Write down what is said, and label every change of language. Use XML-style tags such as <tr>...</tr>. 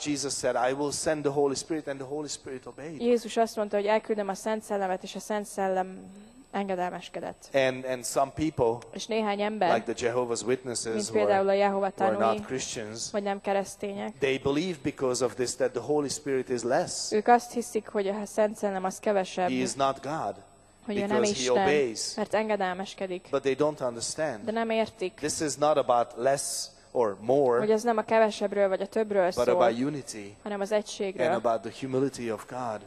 <en>Jesus said, I will send the Holy Spirit and the Holy Spirit obeyed.</en> <hu>Jézus azt mondta, hogy elküldöm a Szent Szellemet és a Szent Szellem engedelmeskedett.</hu> <en>And some people.</en> <hu>És néhány ember.</hu> <en>Like the Jehovah's Witnesses who are not Christians.</en> <hu>Vagy nem keresztények.</hu> <en>They believe because of this that the Holy Spirit is less.</en> <hu>Ők azt hiszik, hogy a Szent Szellem az kevesebb.</hu> <en>He is not God.</en> <hu>Hogy ő nem Isten, mert engedelmeskedik.</hu> <en>But they don't understand.</en> <hu>De nem értik.</hu> <en>This is not about less or more,</en> <hu>hogy ez nem a kevesebbről vagy a többről</hu> <en>but</en> <hu>szól,</hu> <en>about unity,</en> <hu>hanem az egységről,</hu> <en>and about the humility of God,</en>